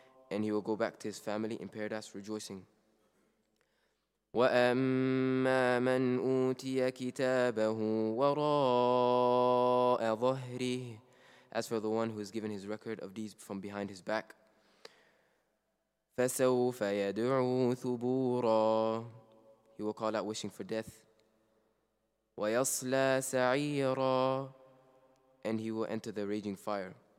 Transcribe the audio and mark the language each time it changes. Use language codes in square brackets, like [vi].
[en] and he will go back to his family in paradise rejoicing. [ar] وأما من أوتي كتابه وراء ظهره, [en] as for the one who has given his record of deeds from behind his back, [ar] فسوف يدعو ثبورا, [en] he will call out wishing for death. [ar] ويصلى سعيرا, [en] and he will enter the raging fire.